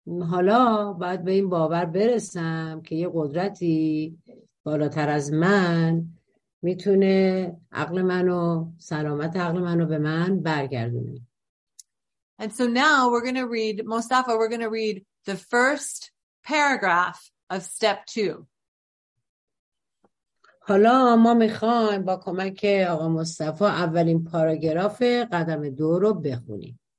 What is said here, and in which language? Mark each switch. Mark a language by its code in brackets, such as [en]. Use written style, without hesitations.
[fa] حالا باید به این باور برسم که یه قدرتی بالاتر از من میتونه عقل منو، سلامت عقل منو به من برگردونه. [en] And so now we're going to read, Mostafa, we're going to read the first paragraph of step 2. [fa] حالا ما میخوایم با کمک آقا مصطفی اولین پاراگراف قدم 2 رو بخونیم.